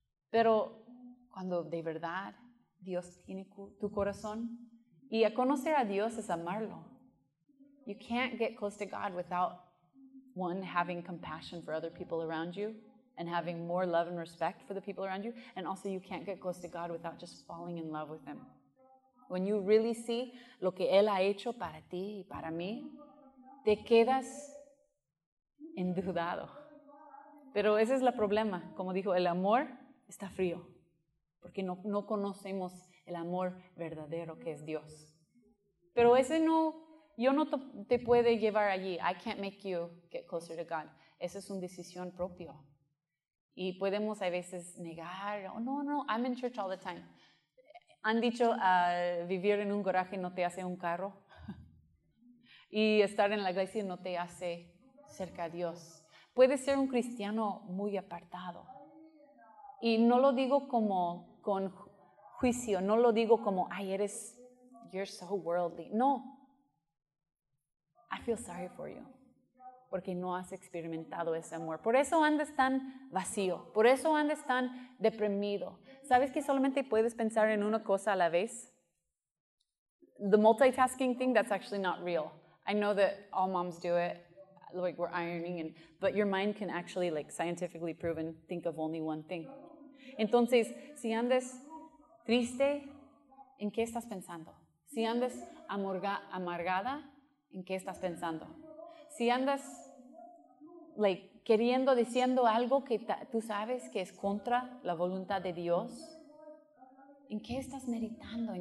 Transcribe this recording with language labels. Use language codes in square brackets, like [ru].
[es] Pero cuando de verdad Dios tiene tu corazón, y a conocer a Dios es amarlo. [en] You can't get close to God without, one, having compassion for other people around you and having more love and respect for the people around you. And also, you can't get close to God without just falling in love with Him. When you really see [es] lo que Él ha hecho para ti y para mí, te quedas endeudado. Pero ese es el problema. Como dijo, el amor está frío. Porque no conocemos el amor verdadero que es Dios. Pero ese no, yo no te puede llevar allí. [en] I can't make you get closer to God. [es] Esa es una decisión propia. Y podemos a veces negar, oh, no, [en] I'm in church all the time. [es] Han dicho, vivir en un garaje no te hace un carro. Y estar en la iglesia no te hace cerca a Dios. Puedes ser un cristiano muy apartado. Y no lo digo como con juicio, no lo digo como, ay, eres, [en] you're so worldly. [es] No. [en] I feel sorry for you. [es] Porque no has experimentado ese amor. Por eso andas tan vacío. Por eso andas tan deprimido. ¿Sabes que solamente puedes pensar en una cosa a la vez? [en] The multitasking thing, that's actually not real. I know that all moms do it, like we're ironing, but your mind can actually, like scientifically proven, think of only one thing. [es] Entonces, si andas triste, ¿en qué estás pensando? Si andas amargada, ¿en qué estás pensando? Si andas like queriendo, diciendo algo que tú sabes que es contra la voluntad de Dios, ¿en qué estás meditando?